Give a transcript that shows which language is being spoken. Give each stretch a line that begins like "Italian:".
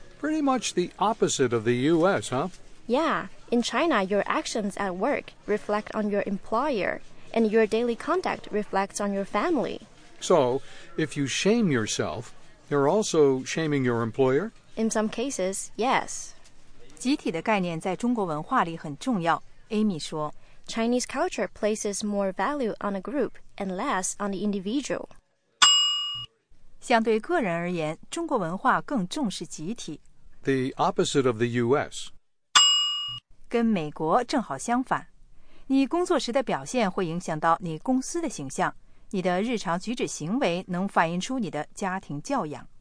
English: Pretty much the opposite of the U.S., huh? Yeah. In China, your actions at work reflect on your employer, and your daily conduct reflects on your family. So, if you shame yourself, you're also shaming your employer? In some cases, yes.
Chinese: 集体的概念在中国文化里很重要。 Amy 说
English: Chinese culture places more value on a group and less on the individual.
Chinese: 相对个人而言，中国文化更重视集体。
English: The opposite of the U.S.
Chinese: 跟美国正好相反。你工作时的表现会影响到你公司的形象。你的日常举止行为能反映出你的家庭教养。